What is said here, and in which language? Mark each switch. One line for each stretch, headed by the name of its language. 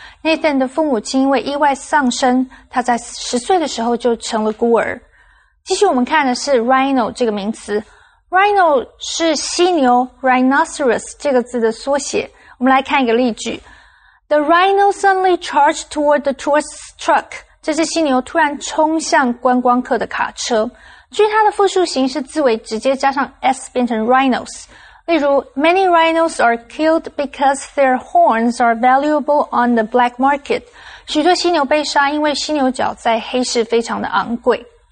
Chinese: Nathan 的父母亲因为意外丧生，他在十岁的时候就成了孤儿。继续我们看的是 Rhino 这个名词。Rhino 是犀牛 Rhinoceros 这个字的缩写。我们来看一个例句。
English: The rhino suddenly charged toward the tourist's truck.
Chinese: 这只犀牛突然冲向观光客的卡车。据它的复数形式字尾直接加上 s 变成 rhinos。例如
English: ,many rhinos are killed because their horns are valuable on the black market.
Chinese: 许多犀牛被杀因为犀牛角在黑市非常的昂贵。